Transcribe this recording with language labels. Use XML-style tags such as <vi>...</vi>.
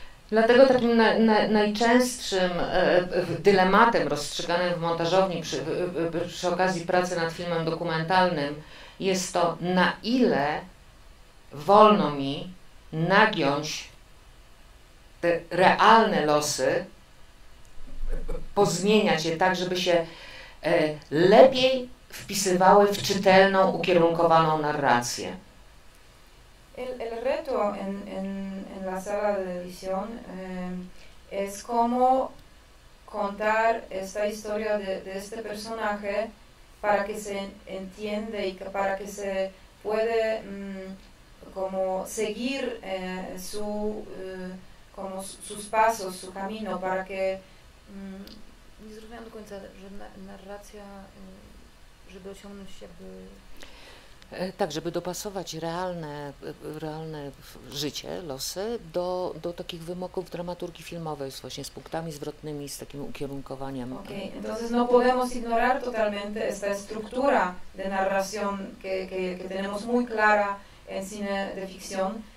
<pl>Dlatego takim najczęstszym dylematem rozstrzyganym w montażowni przy okazji pracy nad filmem dokumentalnym jest to, na ile wolno mi nagiąć te realne losy, pozmieniać je tak, żeby się lepiej wpisywały w czytelną, ukierunkowaną narrację.</pl> <es>El reto en la sala de edición es cómo contar esta historia de este personaje para que se entiende y para que se puede como seguir su como sus pasos, su camino, para que</es> <pl>nie zrozumiałam do końca, że narracja, żeby osiągnąć jakby... Tak, żeby dopasować realne życie, losy do takich wymogów dramaturgii filmowej, właśnie z punktami zwrotnymi, z takim ukierunkowaniem.</pl> <es>Okay, entonces no podemos ignorar totalmente esta estructura de narración que tenemos muy clara en cine de ficción.</es>